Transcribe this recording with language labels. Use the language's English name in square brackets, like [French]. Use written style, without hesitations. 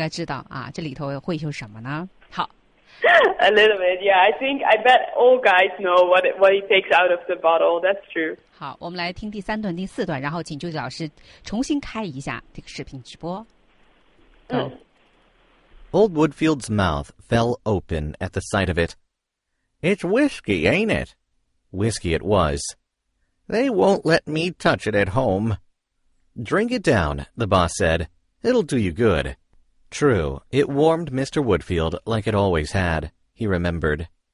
[Chinese] 大家说男孩都应该知道啊，这里头会有什么呢？ [English] A little bit, yeah. I bet all guys know what he takes out of the bottle. That's true. [Chinese] 好，我们来听第三段、第四段，然后请舅舅老师重新开一下这个视频直播。 [English] Old Woodfield's mouth fell open at the sight of it. It's whiskey, ain't it? Whiskey it was. They won't let me touch it at home. Drink it down, the boss said. It'll do you good. True, it warmed Mr. Woodfield like it always had, he remembered.